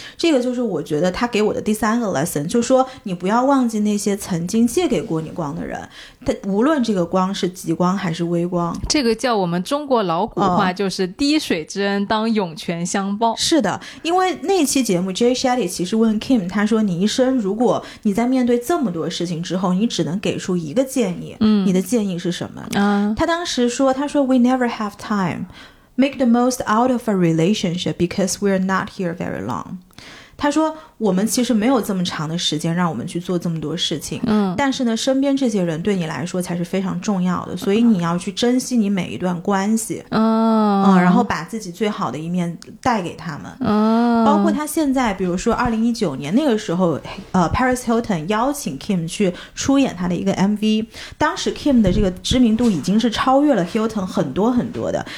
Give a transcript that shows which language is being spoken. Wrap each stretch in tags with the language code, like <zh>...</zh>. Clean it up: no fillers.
<zh>这个就是我觉得他给我的第三个 lesson， 就是说你不要忘记那些曾经借给过你光的人，他无论这个光是极光还是微光。这个叫我们中国老古话，就是滴水之恩当涌泉相报。是的，因为那期节目 Jay Shetty 其实问 Kim， 他说你一生如果你在面对这么多事情之后你只能给出一个建议，你的建议是什么？他当时说，他说</zh> <en>We never have time, make the most out of a relationship because we're not here very long。</en> <zh>他说我们其实没有这么长的时间让我们去做这么多事情，但是呢身边这些人对你来说才是非常重要的，所以你要去珍惜你每一段关系，然后把自己最好的一面带给他们。包括他现在比如说2019年那个时候，Paris Hilton 邀请 Kim 去出演他的一个 MV， 当时 Kim 的这个知名度已经是超越了 Hilton 很多很多的。</zh>